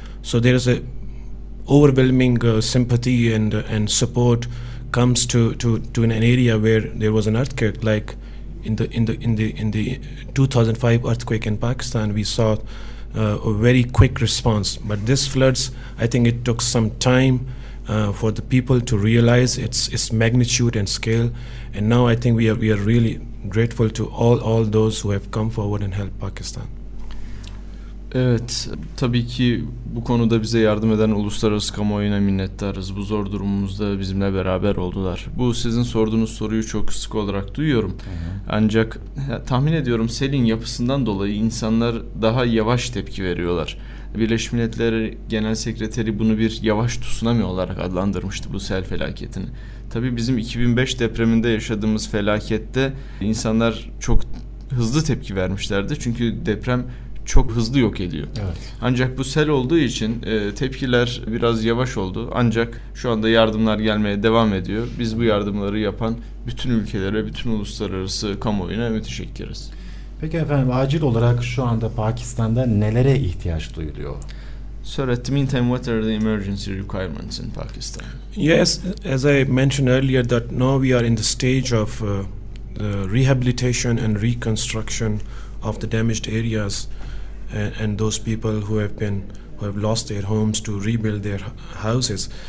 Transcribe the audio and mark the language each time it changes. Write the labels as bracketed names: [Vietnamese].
[English] So there is a overwhelming sympathy and support comes to an area where there was an earthquake, like in the 2005 earthquake in Pakistan, we saw a very quick response. But this floods, I think it took some time for the people to realize its magnitude and scale. And now I think we are really grateful to all those who have come forward and helped Pakistan. [Turkish] Evet, tabii ki bu konuda bize yardım eden uluslararası kamuoyuna minnettarız. Bu zor durumumuzda bizimle beraber oldular. Bu sizin sorduğunuz soruyu çok sık olarak duyuyorum. Ancak tahmin ediyorum selin yapısından dolayı insanlar daha yavaş tepki veriyorlar. Birleşmiş Milletler Genel Sekreteri bunu bir yavaş tsunami olarak adlandırmıştı, bu sel felaketini. Tabii bizim 2005 depreminde yaşadığımız felakette insanlar çok hızlı tepki vermişlerdi. Çünkü deprem çok hızlı yok ediyor. Evet. Ancak bu sel olduğu için tepkiler biraz yavaş oldu. Ancak şu anda yardımlar gelmeye devam ediyor. Biz bu yardımları yapan bütün ülkelere, bütün uluslararası kamuoyuna müteşekkiriz. Peki efendim, acil olarak şu anda Pakistan'da nelere ihtiyaç duyuluyor? [English] So at the meantime, what are the emergency requirements in Pakistan? Yes, as I mentioned earlier, that now we are in the stage of the rehabilitation and reconstruction of the damaged areas and those people who have lost their homes to rebuild their houses.